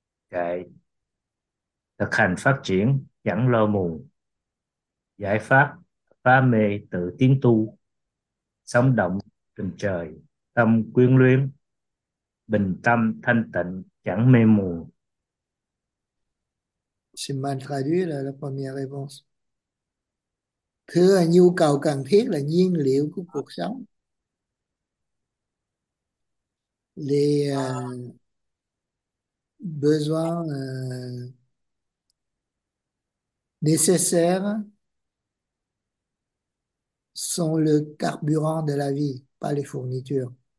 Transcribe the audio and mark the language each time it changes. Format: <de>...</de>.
<vi>Kệ, thực hành phát triển chẳng lo mù, giải pháp pha mê tự tiến tu, sống động tình trời tâm quyến luyến, bình tâm thanh tịnh chẳng mê mù.</vi> <fr>C'est mal traduit là la première réponse.</fr> <vi>Thứ là nhu cầu cần thiết là nhiên liệu của cuộc sống.</vi> <fr>Les besoins nécessaires sont le carburant de la vie, pas les fournitures.</fr>